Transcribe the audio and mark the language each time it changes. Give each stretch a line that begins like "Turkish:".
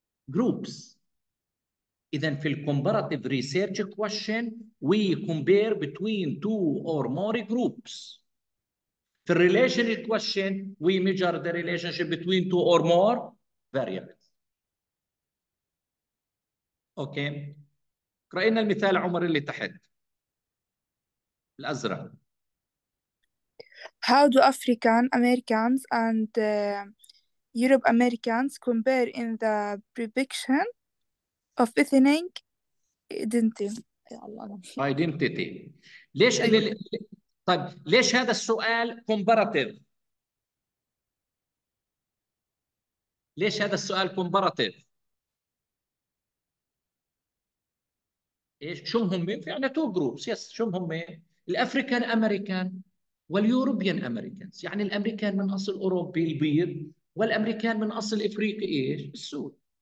English: Groups.
Arabic: إذا في الـ
English: comparative research question we compare between two or more groups.
Arabic: في الـ
English: relational question we measure the relationship between two or more variables. Okay.
Arabic: قرأنا المثال عمر اللي تحت. الأزرق.
English: How do African Americans and Europe Americans compare in the prediction of ethnic identity?
Arabic: يا الله
English: identity.
Arabic: ليش أيوه. طيب ليش هذا السؤال comparative؟ ليش هذا السؤال comparative؟ ايش شو هم؟ في عندنا
English: Two groups, yes.
Arabic: شو هم؟ الافريكان امريكان واليوروبيان امريكانز، يعني الامريكان من اصل اوروبي البيض والامريكان من اصل افريقي ايش؟ السود.